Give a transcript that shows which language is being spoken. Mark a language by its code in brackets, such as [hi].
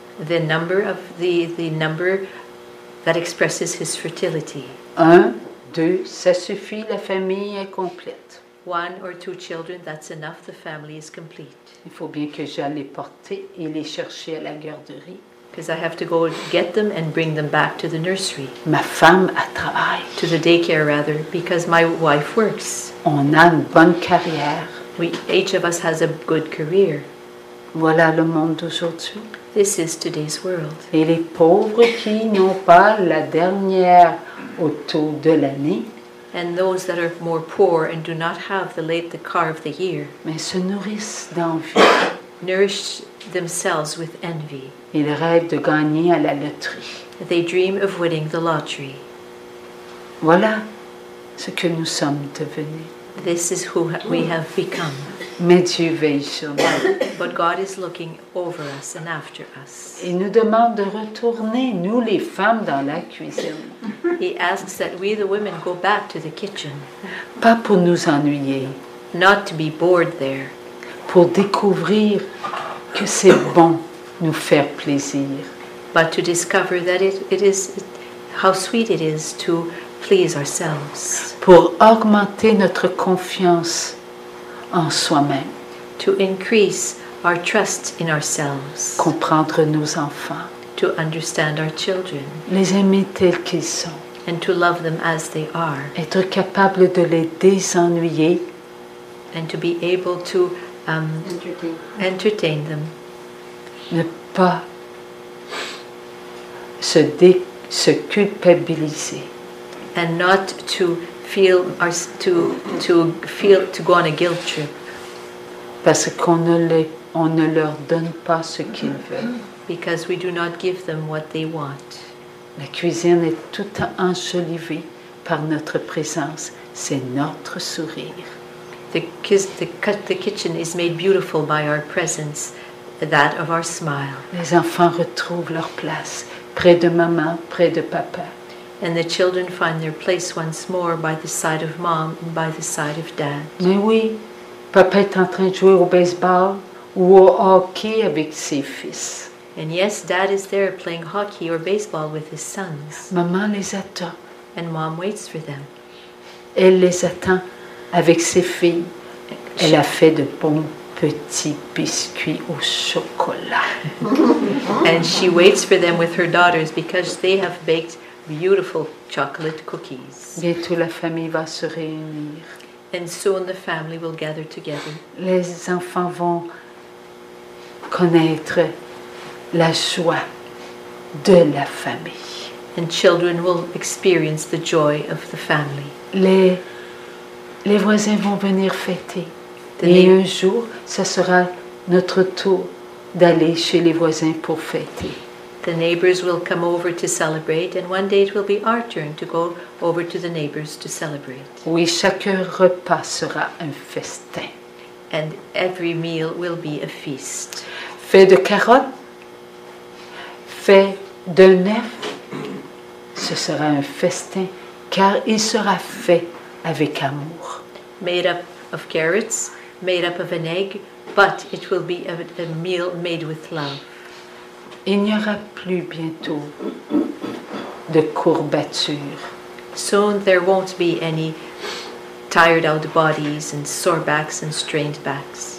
[en] The number of the number that expresses his fertility. [fr] Un, deux, ça suffit, la famille est complète. [en] One or two children, that's enough, the family is complete. [fr] Il faut bien que j'aille les porter et les chercher à la garderie. [en] Because I have to go get them and bring them back to the nursery. [fr] Ma femme a travail. [en] To the daycare, rather, because my wife works. [fr] On a une bonne carrière. [en] We, each of us has a good career. [fr] Voilà le monde d'aujourd'hui. [en] This is today's world. [fr] Et les pauvres qui n'ont pas la dernière auto de l'année. [en] And those that are more poor and do not have the late the car of the year. [fr] Mais se nourrissent d'envie. [en] Nourish themselves with envy. [fr] Ils rêvent de gagner à la loterie. [en] They dream of winning the lottery. [fr] Voilà ce que nous sommes devenus. [en] This is who we have become. [fr] Mais Dieu veille sur nous. [en] But God is looking over us and after us. [fr] Il nous demande de retourner, nous les femmes, dans la cuisine. [en] He asks that we the women go back to the kitchen. [fr] Pas pour nous ennuyer. [en] Not to be bored there. [fr] Pour découvrir que c'est bon nous faire plaisir. [en] But to discover that it is how sweet it is to please ourselves. [fr] Pour augmenter notre confiance en soi-même. [en] To increase our trust in ourselves. [fr] Comprendre nos enfants. [en] To understand our children. [fr] Les aimer tels qu'ils sont. [en] And to love them as they are. [fr] Être capable de les désennuyer. [en] And to be able to entertain them. [fr] Ne pas se culpabiliser. [en] And not to feel to go on a guilt trip. [fr] Parce qu'on ne leur donne pas ce qu'ils veulent. [en] Because we do not give them what they want. [fr] La cuisine est toute enjolivée par notre présence. C'est notre sourire. [en] The kitchen is made beautiful by our presence, that of our smile. [fr] Les enfants retrouvent leur place près de maman, près de papa. [en] And the children find their place once more by the side of mom and by the side of dad. [fr] Mais oui, papa est en train de jouer au baseball ou au hockey avec ses fils. [en] And yes, dad is there playing hockey or baseball with his sons. [fr] Maman les attend. [en] And mom waits for them. [fr] Elle les attend avec ses filles. Elle a fait de bons petits biscuits au chocolat. [en] And she waits for them with her daughters because they have baked beautiful chocolate cookies. [fr] Bientôt la famille va se réunir. [en] And soon the family will gather together. [fr] Les enfants vont connaître la joie de la famille. [en] And children will experience the joy of the family. [fr] Les voisins vont venir fêter. Et un jour, ça sera notre tour d'aller chez les voisins pour fêter. [en] The neighbors will come over to celebrate, and one day it will be our turn to go over to the neighbors to celebrate. [fr] Oui, chaque repas sera un festin. [en] And every meal will be a feast. [fr] Fait de carottes, fait d'un œuf, ce sera un festin, car il sera fait avec amour. [en] Made up of carrots, made up of an egg, but it will be a meal made with love. [fr] Il n'y aura plus bientôt de courbatures. [en] Soon there won't be any tired out bodies and sore backs and strained backs.